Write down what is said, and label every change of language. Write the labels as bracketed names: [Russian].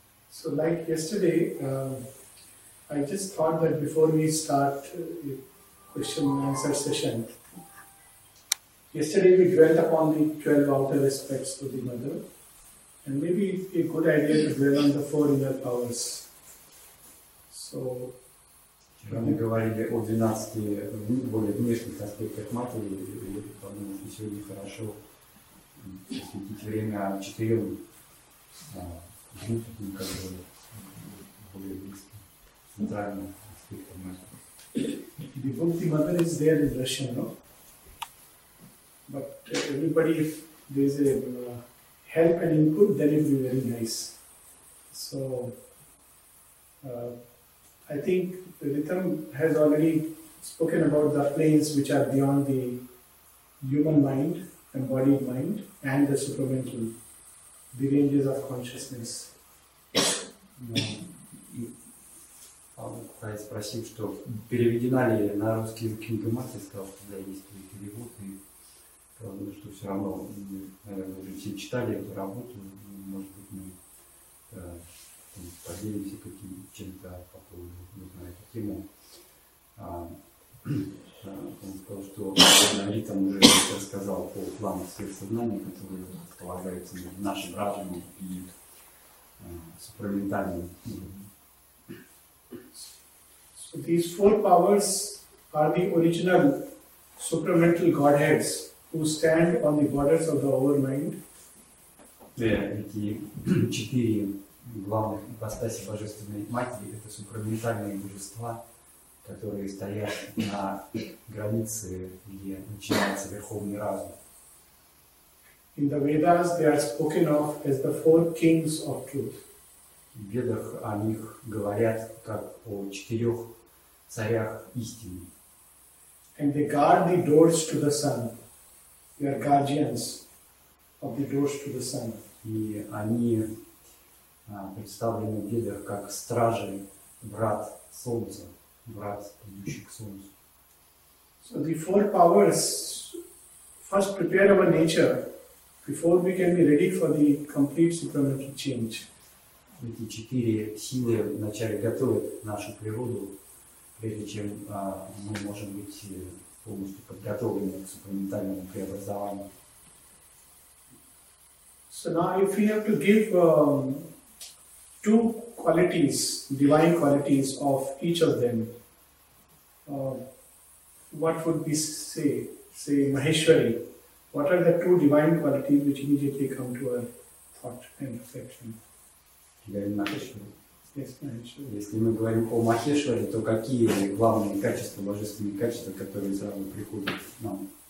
[English] So like yesterday, I just thought that before we start the question and answer session, yesterday we dwelt upon the 12 outer aspects of the mother, and maybe a good idea to dwell on the 4 inner powers. So, [Russian] мы говорили о 12 более внешних аспектах матери, и подумал, что сегодня хорошо посвятить время 4 внутренним, как бы, более близким, центральным аспектам матери. [English] The book The Mother is there in Russian, no? But everybody, if there is a help and input, then it will be very nice. So, I think Ritam has already spoken about the planes which are beyond the human mind, embodied mind, and the supramental, the ranges of consciousness. [Russian] Павел спросил, что переведена ли на русский язык книга Матери, сказал, что да, есть ли перевод, и правда, что все равно, наверное, уже все читали эту работу, может быть, мы поделимся каким-то по поводу, не знаю, эту тему. Он сказал, что Ритам уже рассказал по плану всех сознаний, которые располагаются в нашем разуме и супраментальном. [English] So these four powers are the original supramental godheads who stand on the borders of the overmind. [Russian] Эти четыре главных ипостаси Божественной Матери — это супраментальные божества, которые стоят на границе, где начинается Верховный Разум. [English] In the Vedas they are spoken of as the four kings of truth. [Russian] В Ведах о них говорят как о четырех царях истины. [English] And they guard the doors to the sun. They are guardians of the doors to the sun. [Russian] И они представлены в Ведах как стражи, врат солнца. [English] So the four powers first prepare our nature before we can be ready for the complete supramental change. [Russian] Эти четыре силы вначале готовят нашу природу, прежде чем мы можем быть полностью подготовлены к супраментальному преобразованию. [English] So now if we have to give two qualities, divine qualities of each of them, what would we say Maheshwari, what are the two divine qualities which immediately come to our thought and affection? [Russian] Если мы говорим о Махешваре, то какие главные качества, божественные качества, которые сразу приходят к нам?